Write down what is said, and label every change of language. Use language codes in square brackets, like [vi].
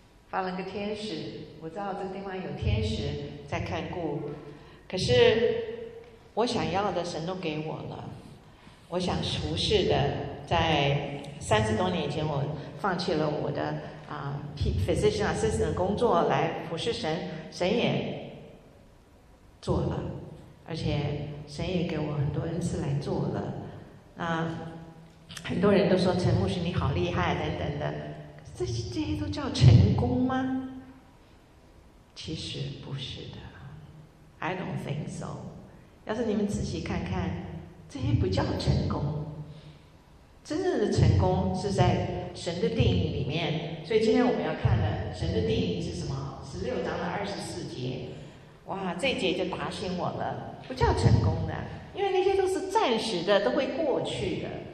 [zh] 发了个天使，我知道这个地方有天使在看顾，可是我想要的神都给我了，我想服侍的，在30多年前我放弃了我的physician assistant 的工作来服侍神，神也做了，而且神也给我很多恩赐来做了。那很多人都说陈牧师你好厉害等等的，这些都叫成功吗？其实不是的， [en] I don't think so。 [zh] 要是你们仔细看看，这些不叫成功，真正的成功是在神的定义里面。所以今天我们要看的神的定义是什么，16章的24节。哇，这节就打醒我了，不叫成功的，因为那些都是暂时的，都会过去的。